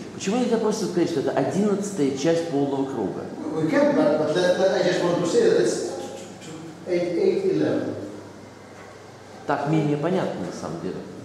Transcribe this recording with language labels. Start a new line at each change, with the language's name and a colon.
Russian: Почему нельзя просто сказать, что это 11-я часть полного круга?
English: We can, but I just want to say that it's 8-11.
Russian: Так менее понятно, на самом деле.